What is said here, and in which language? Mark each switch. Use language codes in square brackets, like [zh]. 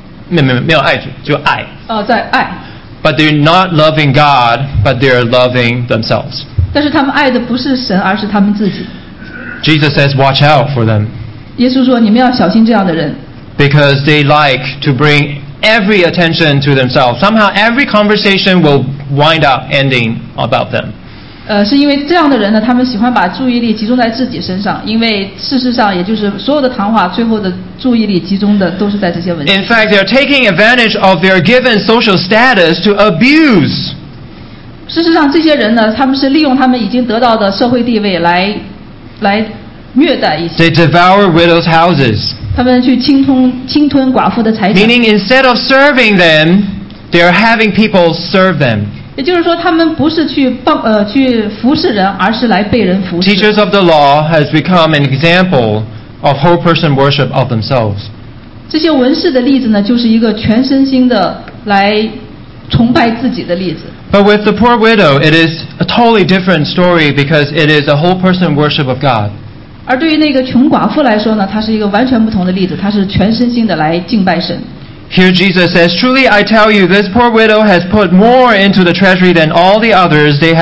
[zh] 没有爱主，就爱。在爱。 [en] But they're not loving God, but they're loving themselves. [zh] 但是他们爱的不是神，而是他们自己。 [en] Jesus says, "Watch out for them." [zh] 耶稣说，你们要小心这样的人。 [en] Because they like to bring every attention to themselves. Somehow, every conversation will wind up ending about them. [zh] 是因为这样的人呢，他们喜欢把注意力集中在自己身上，因为事实上，也就是所有的谈话最后的注意力集中的都是在这些文字。 [en] In fact, they are taking advantage of their given social status to abuse. [zh] 事实上，这些人呢，他们是利用他们已经得到的社会地位来虐待一些。 [en] They devour widows' houses. [zh] 他们去侵吞寡妇的财产。 [en] Meaning, instead of serving them, they are having people serve them. [zh] 也就是说，他们不是去服侍人，而是来被人服侍。 [en] Teachers of the law has become an example of whole person worship of themselves. [zh] 这些文士的例子呢，就是一个全身心的来崇拜自己的例子。 [en] But with the poor widow, it is a totally different story because it is a whole person worship of God. [zh] 而对于那个穷寡妇来说呢，它是一个完全不同的例子，它是全身心的来敬拜神。 [en] Here Jesus says, "Truly, I tell you, this poor widow has put more into the treasury than all the others.